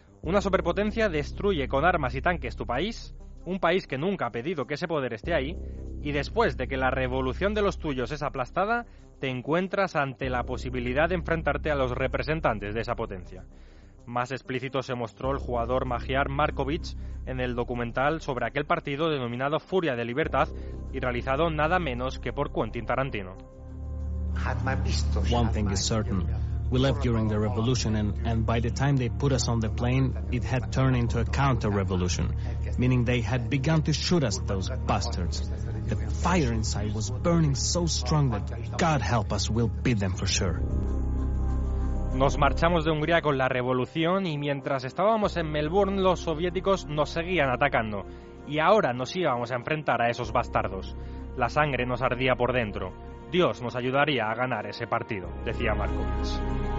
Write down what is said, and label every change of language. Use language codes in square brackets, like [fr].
[es] Una superpotencia destruye con armas y tanques tu país, un país que nunca ha pedido que ese poder esté ahí, y después de que la revolución de los tuyos es aplastada, te encuentras ante la posibilidad de enfrentarte a los representantes de esa potencia. Más explícito se mostró el jugador magiar Markovic en el documental sobre aquel partido denominado Furia de Libertad y realizado nada menos que por Quentin Tarantino. [en] One thing is certain. We left during the revolution and by the time they put us on the plane, it had turned into a counter-revolution, meaning they had begun to shoot us, those bastards. The fire inside was burning so strong that, God help us, we'll beat them for sure. [es] Nos marchamos de Hungría con la revolución y mientras estábamos en Melbourne, los soviéticos nos seguían atacando. Y ahora nos íbamos a enfrentar a esos bastardos. La sangre nos ardía por dentro. Dios nos ayudaría a ganar ese partido, decía Markovic.